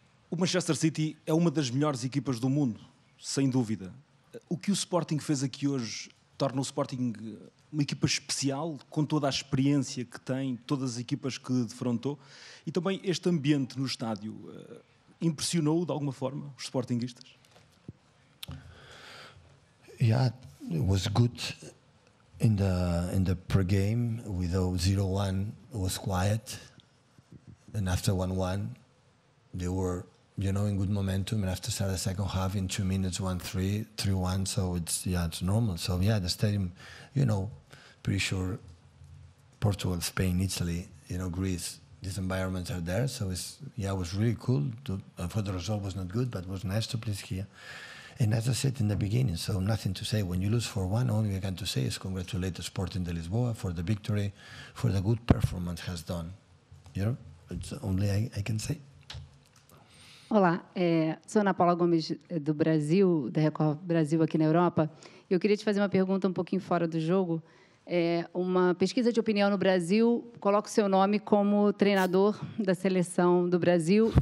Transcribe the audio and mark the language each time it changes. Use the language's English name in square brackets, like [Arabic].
[Portuguese] O Manchester City é uma das melhores equipas do mundo, sem dúvida. O que o Sporting fez aqui hoje torna o Sporting uma equipa especial, com toda a experiência que tem, todas as equipas que defrontou, e também este ambiente no estádio impressionou de alguma forma os Sportingistas? [English] Yeah, it was good in the pre-game, with 0-1, it was quiet. And after 1-1, they were, you know, in good momentum. And after the second half, in 2 minutes, 1-3, 3-1. So it's, yeah, it's normal. So, yeah, the stadium, you know, pretty sure Portugal, Spain, Italy, you know, Greece, these environments are there. So, it's, yeah, it was really cool. For the result was not good, but it was nice to play here. And as I said in the beginning, so nothing to say. When you lose 4-1, all you can to say is congratulate the Sporting de Lisboa for the victory, for the good performance has done, you know? It's only I can say. [Portuguese] Olá, sou Ana Paula Gomes do Brasil, da Record Brasil aqui na Europa. Eu queria te fazer uma pergunta um pouquinho fora do jogo. Uma pesquisa de opinião no Brasil coloca o seu nome como treinador da seleção do Brasil.